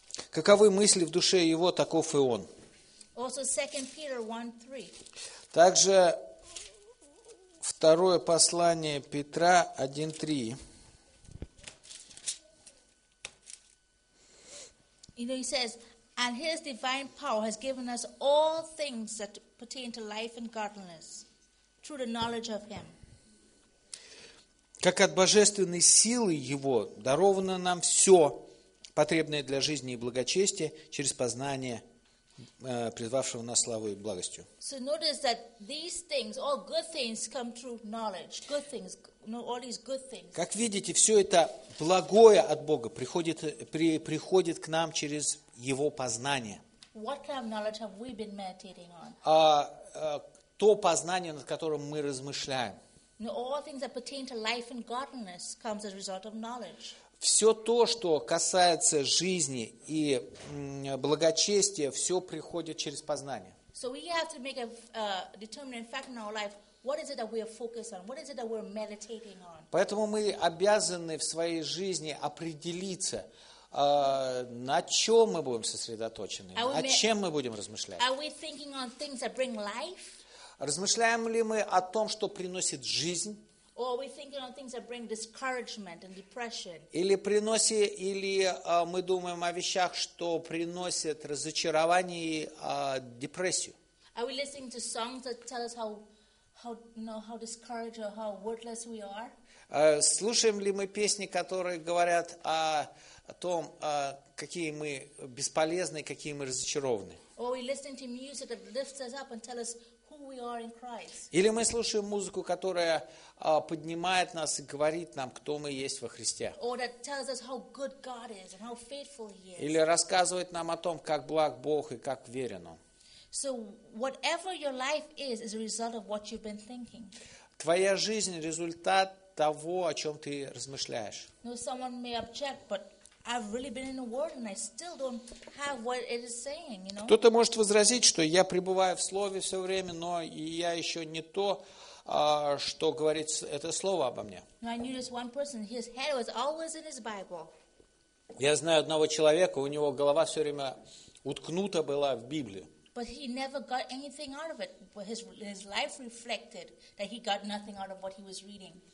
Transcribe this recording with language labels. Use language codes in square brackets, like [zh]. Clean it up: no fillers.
[ru] Каковы мысли в душе его, таков и он. [en] Also 2 Peter 1:3. [ru] Также второе послание Петра 1:3. [en] You know, he says, and his divine power has given us all things that pertain to life and godliness through the knowledge of him. [ru] Как от божественной силы его даровано нам все, потребное для жизни и благочестия через познание призвавшего нас славой и благостью. [en] So notice that these things, all good things come through knowledge. Good things, all these good things. [ru] Как видите, все это благое от Бога приходит, приходит к нам через Его познание. [en] What kind of knowledge have we been meditating on? [ru] То познание, над которым мы размышляем. [en] All things that pertain to life and godliness comes as a result of knowledge. [ru] Все то, что касается жизни и благочестия, все приходит через познание. [en] So we have to make a determining factor in our life. What is it that we are focused on? What is it that we're meditating on? [ru] Поэтому мы обязаны в своей жизни определиться, на чем мы будем сосредоточены, о чем мы будем размышлять. [en] Are we thinking on things that bring life? [ru] Размышляем ли мы о том, что приносит жизнь? [en] Or we thinking on things that bring discouragement and depression. [ru] Или приносит, или мы думаем о вещах, что приносят разочарование и депрессию. [en] Are we listening to songs that tell us how discouraged or how worthless we are? [ru] Слушаем ли мы песни, которые говорят о том, какие мы бесполезны, какие мы разочарованы? [en] Or are we listening to music that lifts us up and tell us we are in Christ. [ru] Или мы слушаем музыку, которая поднимает нас и говорит нам, кто мы есть во Христе. [en] Or that tells us how good God is and how faithful He is. [ru] Или рассказывает нам о том, как благ Бог и как верен Он. [en] So whatever your life is a result of what you've been thinking. [ru] Твоя жизнь – результат того, о чем ты размышляешь. [en] Now someone may object, but I've really been in the world and I still don't have what it is saying, you know. [ru] Кто-то может возразить, что я пребываю в слове все время, но я еще не то, что говорит это слово обо мне. [en] I knew this one person, his head was always in his Bible. [ru] Я знаю одного человека, у него голова все время уткнута была в Библию. [en] But he never got anything out of it. His life reflected that he got nothing out of what he was reading.